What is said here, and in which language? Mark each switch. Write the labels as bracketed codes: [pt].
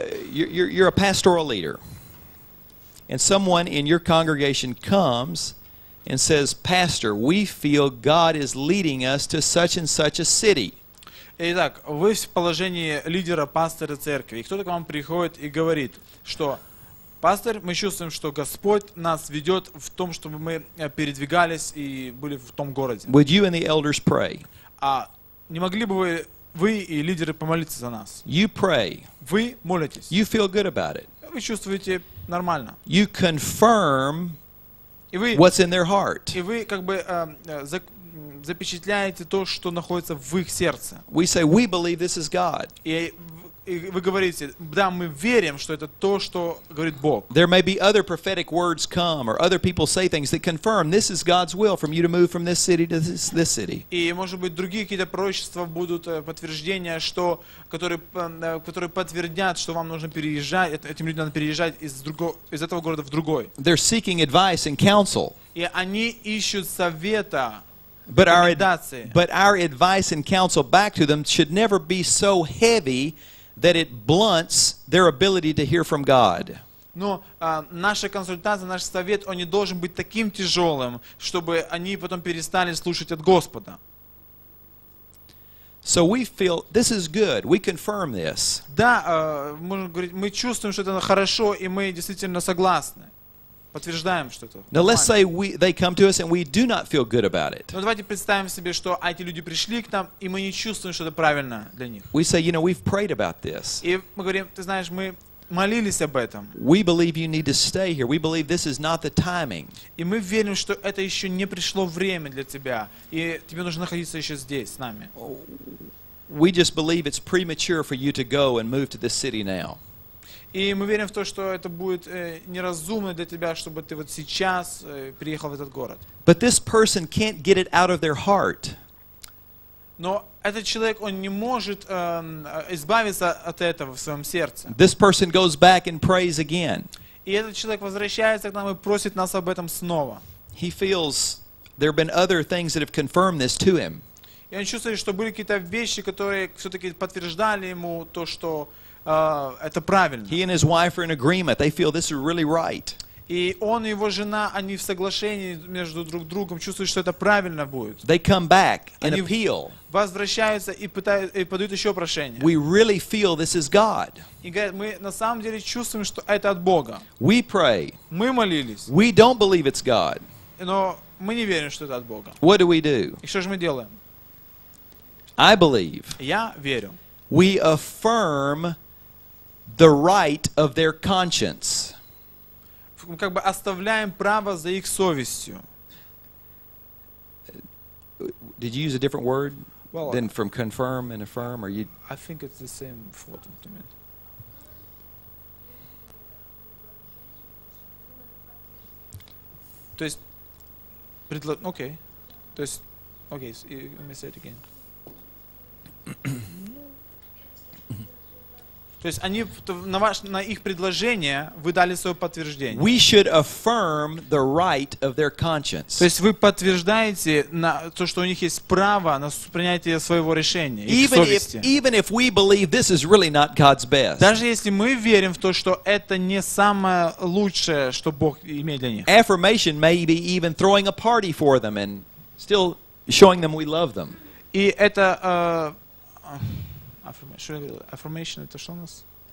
[en] You're a pastoral leader, and someone in your congregation comes and says, Pastor, we feel God is leading us to such and such a city. [ru] Итак, вы в положении лидера, пастора церкви. Кто-то к вам приходит и говорит, что Пастор, мы чувствуем, что Господь нас ведет в том, чтобы мы передвигались и были в том городе. [en] Would you and the elders pray? [ru] А не могли бы вы и лидеры помолиться за нас? [en] You pray. [ru] Вы молитесь. [en] You feel good about it. [ru] Вы чувствуете нормально. [en] You confirm what's in their heart. [ru] И вы как бы запечатляете то, что находится в их сердце. [en] We say we believe this is God. [ru] И вы говорите, да, мы верим, что это то, что говорит Бог. [en] There may be other prophetic words come, or other people say things that confirm this is God's will from you to move from this city to this city. [ru] И может быть другие какие-то пророчества будут подтверждения, что которые подтвердят, что вам нужно переезжать, этим людям надо переезжать из этого города в другой. [en] They're seeking advice and counsel. [ru] И они ищут совета. [en] But our advice and counsel back to them should never be so heavy that it blunts their ability to hear from God. [ru] Но наша консультация, наш совет, он не должен быть таким тяжелым, чтобы они потом перестали слушать от Господа. [en] So we feel this is good. We confirm this. [ru] Да, можно говорить, мы чувствуем, что это хорошо, и мы действительно согласны. Подтверждаем, что это. [en] Now let's say they come to us and we do not feel good about it. [ru] Но давайте представим себе, что эти люди пришли к нам, и мы не чувствуем, что это правильно для них. [en] We say, you know, we've prayed about this. [ru] И мы говорим, ты знаешь, мы молились об этом. [en] We believe you need to stay here. We believe this is not the timing. [ru] И мы верим, что это еще не пришло время для тебя, и тебе нужно находиться еще здесь с нами. [en] We just believe it's premature for you to go and move to this city now. [ru] И мы верим в то, что это будет неразумно для тебя, чтобы ты вот сейчас приехал в этот город. [en] But this person can't get it out of their heart. [ru] Но этот человек, он не может избавиться от этого в своем сердце. [en] This person goes back and prays again. [ru] И этот человек возвращается к нам и просит нас об этом снова. [en] He feels there have been other things that have confirmed this to him. [ru] И он чувствует, что были какие-то вещи, которые все-таки подтверждали ему то, что это правильно. [en] He and his wife are in agreement. They feel this is really right. [ru] И он и его жена, они в соглашении между друг другом, чувствуют, что это правильно будет. [en] They come back and appeal. [ru] Возвращаются и пытаются и подают еще прошение. [en] We really feel this is God. [ru] И говорят, мы на самом деле чувствуем, что это от Бога. [en] We pray. [ru] Мы молились. [en] We don't believe it's God. [ru] Но мы не верим, что это от Бога. [en] What do we do? [ru] И что же мы делаем? [en] I believe. [ru] Я верю. [en] We affirm the right of their conscience. [ru] Мы как бы оставляем право за их совестью. [en] Did you use a different word than from confirm and affirm? Or you? I think it's the same word. What do you mean? [ru] То есть, [en] okay. [ru] То есть, okay. [en] So let me say it again. [ru] То есть они на их предложение вы дали свое подтверждение. [en] We should affirm the right of their conscience. [ru] То есть вы подтверждаете на то, что у них есть право на принятие своего решения, их совести. [en] Even if we believe this is really not God's best. [ru] Даже если мы верим в то, что это не самое лучшее, что Бог имеет для них. [en] Affirmation may be even throwing a party for them and still showing them we love them. [ru] И это affirmation, это что у нас?